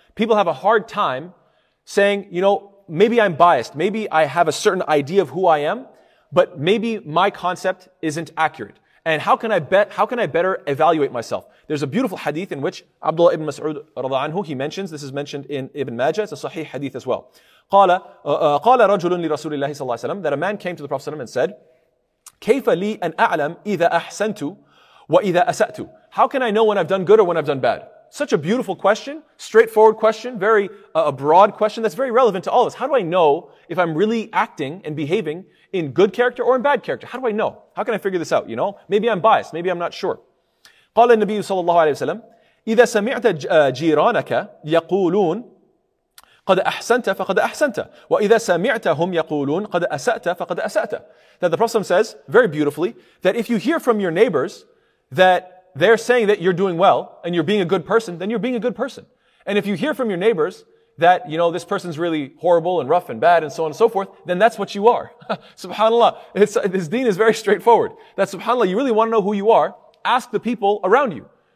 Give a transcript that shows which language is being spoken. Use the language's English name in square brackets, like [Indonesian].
[English] People have a hard time saying, you know, maybe I'm biased. Maybe I have a certain idea of who I am, but maybe my concept isn't accurate. And how can I better evaluate myself? There's a beautiful hadith in which Abdullah ibn Mas'ud radha anhu, he mentions, this is mentioned in Ibn Majah, it's a sahih hadith as well. [Arabic] قال رجل لرسول الله صلى الله عليه وسلم, [English] that a man came to the Prophet and said, [Arabic] كيف لي أن أعلم إذا أحسنت وإذا أسأت? [English] How can I know when I've done good or when I've done bad? Such a beautiful question, straightforward question, very a broad question that's very relevant to all of us. How do I know if I'm really acting and behaving in good character or in bad character? How do I know? How can I figure this out? You know, maybe I'm biased, maybe I'm not sure. [Arabic] قال النبي صلى الله عليه وسلم إذا سمعت جيرانك يقولون قد أحسنت فقد أحسنت وإذا سمعتهم يقولون قد أسأت فقد أسأت. [English] That the Prophet says very beautifully that if you hear from your neighbors that they're saying that you're doing well and you're being a good person, then you're being a good person. And if you hear from your neighbors that, you know, this person's really horrible and rough and bad and so on and so forth, then that's what you are. SubhanAllah. This deen is very straightforward. That subhanAllah, you really want to know who you are, ask the people around you.